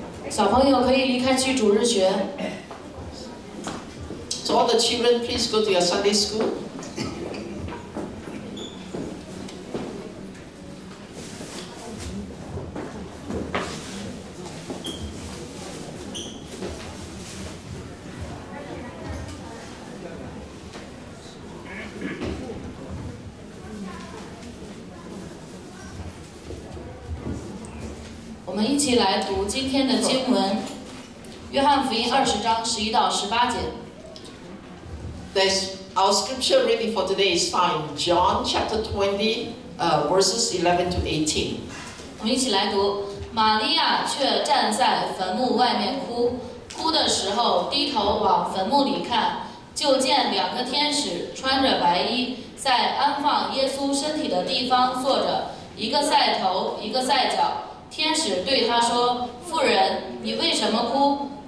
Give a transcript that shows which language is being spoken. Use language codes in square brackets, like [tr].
[zh] 小朋友可以离开去主日学。 [en] So all the children, please go to your Sunday school. [zh] 我们一起来读今天的经文，约翰福音20章11到18节。 [en] That's our scripture reading for today is found in John chapter 20, verses 11 to 18. [zh] 我们一起来读：玛利亚却站在坟墓外面哭，哭的时候低头往坟墓里看，就见两个天使穿着白衣，在安放耶稣身体的地方坐着，一个在头，一个在脚。天使对他说：“妇人，你为什么哭？”